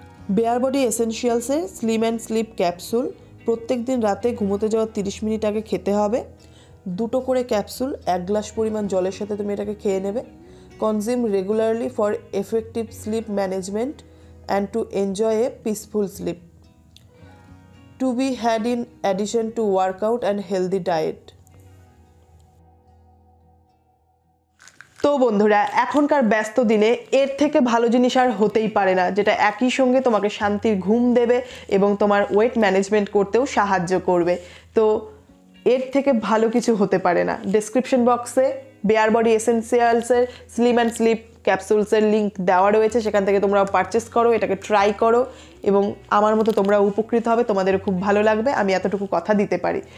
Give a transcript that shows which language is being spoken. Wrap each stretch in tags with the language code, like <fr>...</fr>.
<bn>Bear body এসেনশিয়ালসের slim and sleep capsule প্রত্যেক দিন রাতে ঘুমোতে যাওয়ার 30 মিনিট আগে খেতে হবে। দুটো করে ক্যাপসুল এক গ্লাস পরিমাণ জলের সাথে তুমি এটাকে খেয়ে নেবে।</bn> <en>Consume regularly for effective sleep management, and to enjoy a peaceful sleep. To be had in addition to workout and healthy diet.</en> <bn>তো বন্ধুরা, এখনকার ব্যস্ত দিনে এর থেকে ভালো জিনিস আর হতেই পারে না, যেটা একই সঙ্গে তোমাকে শান্তির ঘুম দেবে এবং তোমার ওয়েট ম্যানেজমেন্ট করতেও সাহায্য করবে। তো এর থেকে ভালো কিছু হতে পারে না। ডিসক্রিপশন বক্সে bear body এসেন্সিয়ালসের slim and sleep ক্যাপসুলসের link দেওয়া রয়েছে, সেখান থেকে তোমরা পারচেস করো, এটাকে ট্রাই করো এবং আমার মতো তোমরা উপকৃত হবে, তোমাদের খুব ভালো লাগবে, আমি এতটুকু কথা দিতে পারি।</bn>